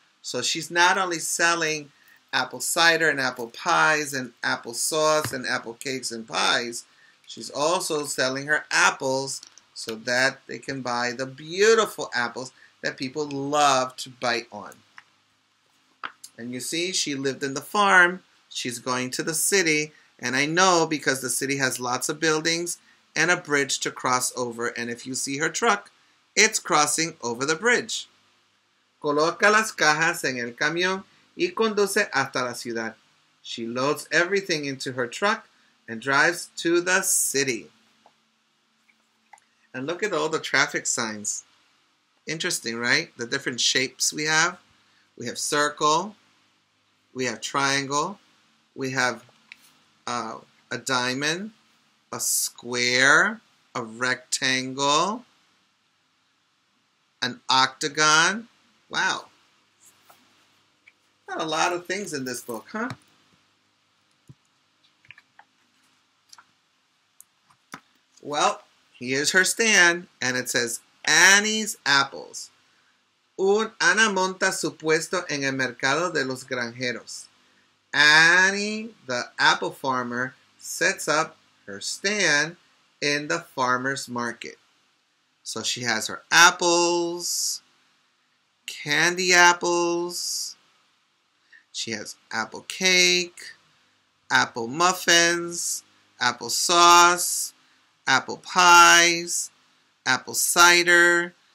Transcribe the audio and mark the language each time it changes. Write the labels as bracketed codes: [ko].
[en] So she's not only selling apple cider and apple pies and apple sauce and apple cakes and pies, she's also selling her apples so that they can buy the beautiful apples that people love to bite on. And you see, she lived in the farm. She's going to the city. And I know because the city has lots of buildings and a bridge to cross over. And if you see her truck, it's crossing over the bridge. [es] Coloca las cajas en el camión y conduce hasta la ciudad. [en] She loads everything into her truck and drives to the city. And look at all the traffic signs. Interesting, right? The different shapes we have. We have circle. We have triangle. We have a diamond, a square, a rectangle, an octagon. Wow. Got a lot of things in this book, huh? Well, here's her stand, and it says Annie's Apples. [es] Ana monta su puesto en el mercado de los granjeros. [en] Annie, the apple farmer, sets up her stand in the farmer's market. So she has her apples, candy apples, she has apple cake, apple muffins, apple sauce, apple pies, apple cider.